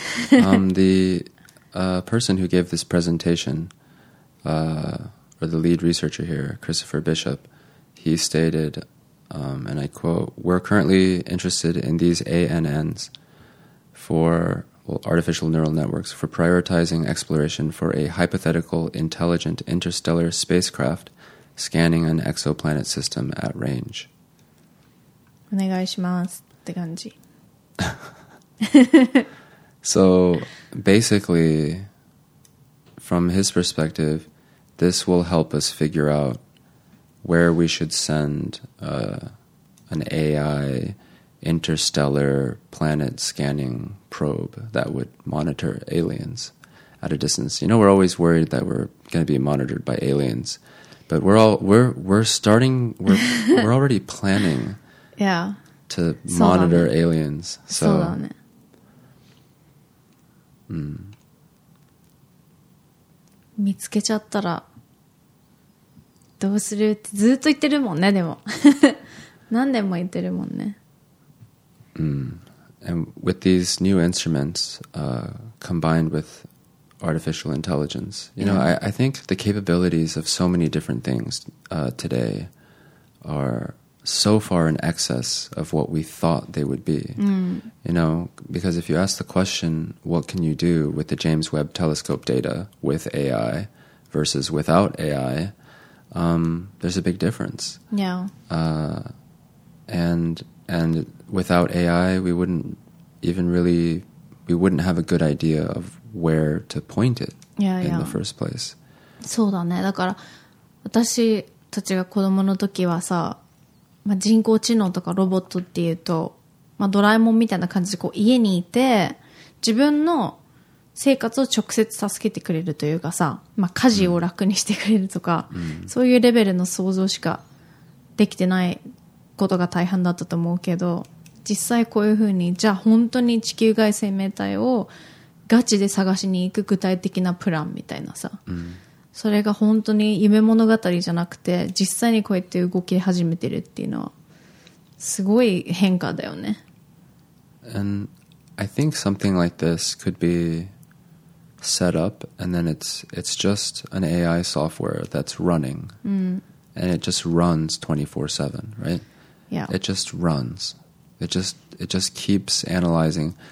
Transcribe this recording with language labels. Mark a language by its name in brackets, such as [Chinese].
[English] person who gave this presentation, or the lead researcher here, Christopher Bishop, he stated, and I quote, "We're currently interested in these ANNs for, well, artificial neural networks for prioritizing exploration for a hypothetical intelligent interstellar spacecraft scanning an exoplanet system at range." [Japanese] お願いしますって感じ。 [English] So basically, from his perspective, this will help us figure out where we should send an AI interstellar planet scanning probe that would monitor aliens at a distance. You know, we're always worried that we're going to be monitored by aliens, but we're already planning. Yeah. To monitor aliens. So. [Japanese] そうだね。見つけちゃったらどうするってずっと言ってるもんね。でも何年も言ってるもんね。 [English] And with these new instruments, combined with artificial intelligence, you know, I think the capabilities of so many different things, today are. So far in excess of what we thought they would be. You know, because if you ask the question, what can you do with the James Webb telescope data with AI versus without AI, there's a big difference. Yeah. And And without AI, we wouldn't have a good idea of where to point it in the first place. [Japanese] そうだね。だから私たちが子供の時はさ、まあ、人工知能とかロボットっていうと、まあ、ドラえもんみたいな感じでこう家にいて自分の生活を直接助けてくれるというかさ、まあ、家事を楽にしてくれるとか、うん、そういうレベルの想像しかできてないことが大半だったと思うけど、実際こういうふうにじゃあ本当に地球外生命体をガチで探しに行く具体的なプランみたいなさ、うん、それが本当に夢物語じゃなくて実際にこうやって動き始めてるっていうのはすごい変化だよね。 [English] And I think something like this could be set up and then it's just an AI software that's running、 [Japanese] うん、 [English] and it just runs 24/7, right? Yeah. It just runs. It just keeps analyzing.